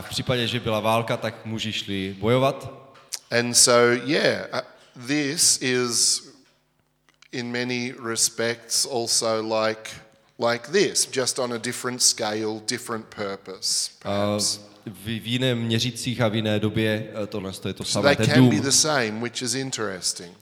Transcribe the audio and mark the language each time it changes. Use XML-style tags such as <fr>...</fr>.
<cs>v případě, že byla válka, tak muži šli bojovat.</cs> <en>And so, yeah, this is in many respects also like this, just on a different scale, different purpose.</en> <cs>V jiném měřících a v jiné době tohle je to samé,</cs> <en>so they can be the same, which is interesting.</en>